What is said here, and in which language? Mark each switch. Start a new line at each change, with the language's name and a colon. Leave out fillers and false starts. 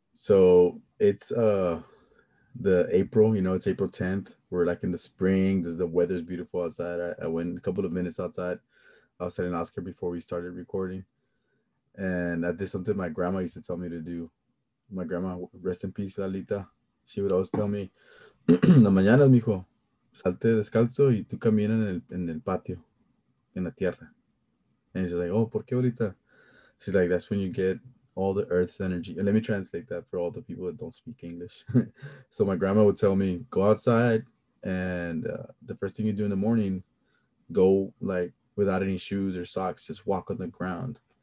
English: So it's the April, it's April 10th. We're like in the spring. The weather's beautiful outside. I went a couple of minutes outside. I was telling Oscar before we started recording. And I did something my grandma used to tell me to do. My grandma, rest in peace, Lalita. She would always tell me,
Spanish: la mañana, mijo, salte descalzo y tú caminas en el patio, en la tierra.
English: And she's like, oh,
Spanish: ¿por qué ahorita?
English: She's like, that's when you get all the earth's energy. And let me translate that for all the people that don't speak English. So my grandma would tell me, go outside and the first thing you do in the morning, go like without any shoes or socks, just walk on the ground.